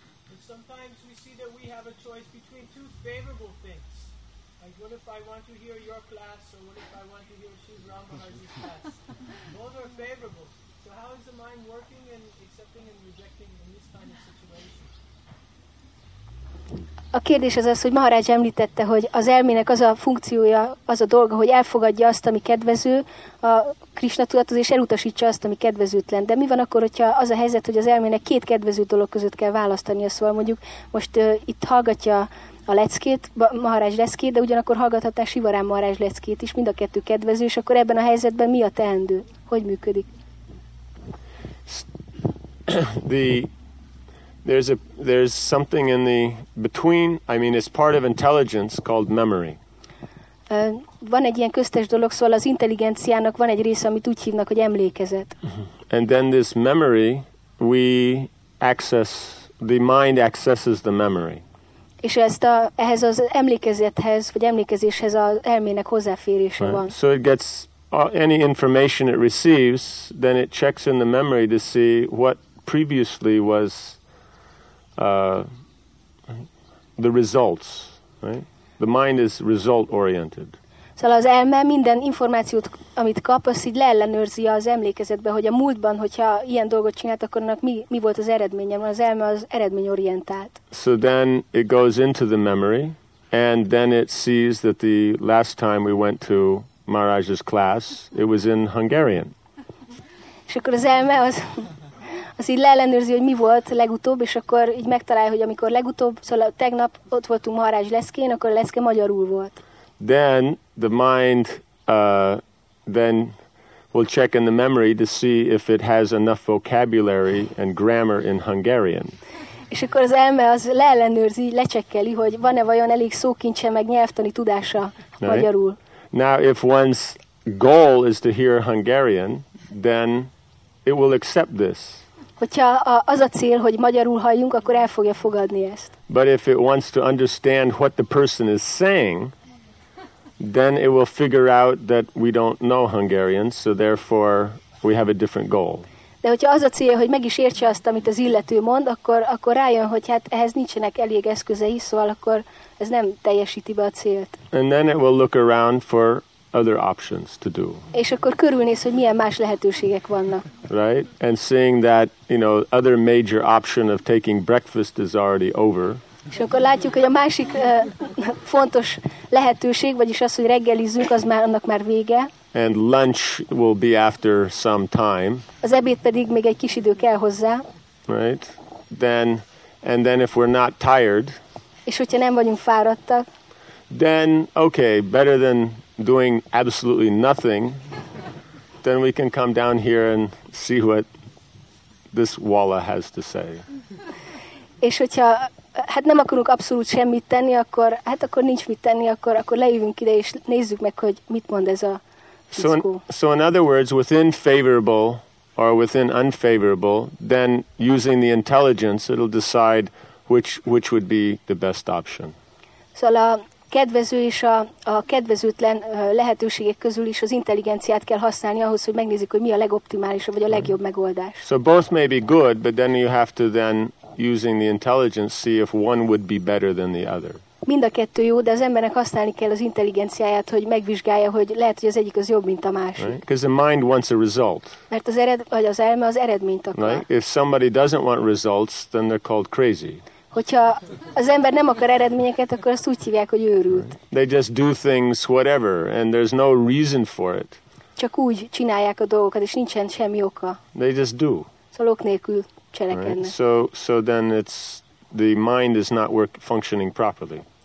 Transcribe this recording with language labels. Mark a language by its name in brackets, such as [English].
[English] But sometimes we see that we have a choice between two favorable things. Like, what if I want to hear your class, or what if I want to hear Shiv Ramaharji's class? Both are favorable. So how is the mind working and accepting and rejecting in this kind of situation? [Hungarian] A kérdés az az, hogy Maharaj említette, hogy az elmének az a funkciója, az a dolga, hogy elfogadja azt, ami kedvező, a Krisna tudatot, és elutasítsa azt, ami kedvezőtlen. De mi van akkor, hogyha az a helyzet, hogy az elmének két kedvező dolog között kell választania, szóval mondjuk most itt hallgatja a leckét, Maharaj leckét, de ugyanakkor hallgathatná Sivarán Maharaj leckét is, mind a kettő kedvező, és akkor ebben a helyzetben mi a teendő? Hogy működik? [English] There's something in the between, I mean it's part of intelligence called memory. [Hungarian] Van egy ilyen köztes dolog, szóval az intelligenciának van egy része, amit úgy hívnak, hogy emlékezet. [English] And then this memory, we access, the mind accesses the memory. [Hungarian] És ezt a, ehhez az emlékezethez, vagy emlékezéshez az elmének hozzáférése van. [English] So it gets any information it receives, then it checks in the memory to see what previously was the results, right? The mind is result oriented. [Hungarian] Szóval az elme minden információt, amit kap, azt így leellenőrzi az emlékezetbe, hogy a múltban, hogyha ilyen dolgot csinált, akkor annak mi volt az eredménye, mert az elme az eredmény orientált. [English] So then it goes into the memory, and then it sees that the last time we went to Maharaj's class, it was in Hungarian. [Hungarian] És akkor az elme az... Az így leellenőrzi, hogy mi volt legutóbb, és akkor így megtalálja, hogy amikor legutóbb, szóval tegnap ott voltunk Maharaj leszkén, akkor a leszke magyarul volt. [English] Then the mind then will check in the memory to see if it has enough vocabulary and grammar in Hungarian. [Hungarian] És akkor az elme az leellenőrzi, lecsekkeli, hogy van-e vajon elég szókincse meg nyelvtani tudása magyarul. [English] Now if one's goal is to hear Hungarian, then it will accept this. [Hungarian] Hogyha az a cél, hogy magyarul halljunk, akkor el fogja fogadni ezt. [English] But if it wants to understand what the person is saying, then it will figure out that we don't know Hungarian, so therefore we have a different goal. [Hungarian] De hogyha az a cél, hogy meg is értse azt, amit az illető mond, akkor rájön, hogy hát ehhez nincsenek elég eszközei, szóval akkor ez nem teljesíti be a célt. [English] And then it will look around for other options to do. [Hungarian] És akkor körülnéz, hogy milyen más lehetőségek vannak. [English] Right? And seeing that, you know, other major option of taking breakfast is already over. [Hungarian] És akkor látjuk, hogy a másik fontos lehetőség, vagyis az, hogy reggelizzünk, az már annak már vége. [English] And lunch will be after some time. [Hungarian] Az ebéd pedig még egy kis idő kell hozzá. [English] Right? Then if we're not tired. [Hungarian] És hogyha nem vagyunk fáradtak. [English] Then okay, better than doing absolutely nothing, then we can come down here and see what this Walla has to say. [Hungarian] És hogyha hát nem akarunk abszolút semmit tenni, akkor hát akkor nincs mit tenni, akkor leívünk ide és nézzük meg, hogy mit mond ez a fickó. [English] So in other words, within favorable or within unfavorable, then using the intelligence, it'll decide which would be the best option. [Hungarian] Szóval a kedvező és a kedvezőtlen lehetőségek közül is az intelligenciát kell használni ahhoz, hogy megnézzük, hogy mi a legoptimálisabb vagy a legjobb megoldás. [English] So both may be good, but then you have to then using the intelligence see if one would be better than the other. [Hungarian] Mind a kettő jó, de az embernek használni kell az intelligenciáját, hogy megvizsgálja, hogy lehet, hogy az egyik az jobb, mint a másik. [English] Right? Because the mind wants a result. [Hungarian] Mert az vagy az elme az eredményt akar. [English] Right? If somebody doesn't want results, then they're called crazy. [Hungarian] Hogyha az ember nem akar eredményeket, akkor azt úgy hívják, hogy őrült. [English] They just do things whatever, and there's no reason for it. [Hungarian] Csak úgy csinálják a dolgokat, és nincsen semmi oka. [English] They just do. [Hungarian] Szóval ok nélkül cselekednek. [English] Right. So then it's the mind is not functioning properly.